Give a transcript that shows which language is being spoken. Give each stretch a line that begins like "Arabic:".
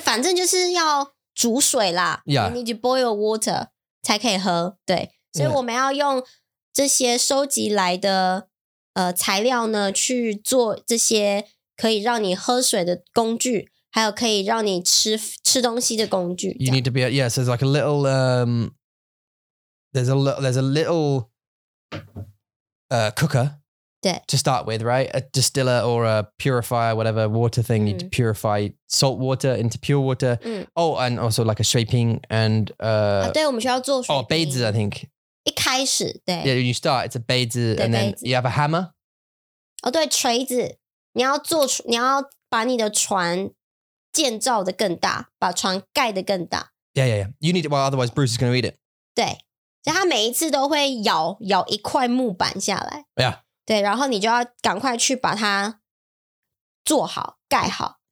Chinese: 反正就是要煮水啦。
English: Yeah. You need to boil water,
Chinese: 才可以喝。对。所以我们要用这些收集来的、材料呢去做这些可以让你喝水的工具。还有可以让你吃东西的工具。
English: You need to be, yes, there's like a little, cooker.
Chinese: 对。
English: To start with, right? A distiller or a purifier, whatever, water thing. You need to purify salt water into pure water. Oh, and also like a 水瓶 and,
Chinese: 对我们需要做水瓶。哦杯子
English: I think.
Chinese: 一开始。开始，对。
English: Yeah, you start, it's a 杯子 and then you have a hammer.
Chinese: 哦，对，锤子，你要做，你要把你的船建造的更大，把船盖的更大。
English: Yeah, yeah, yeah. You need it, well, otherwise Bruce is going to eat it.
Chinese: 对，所以他每一次都会咬，咬一块木板下来。
English: Yeah.
Chinese: 对，然后你就要赶快去把它做好，盖好。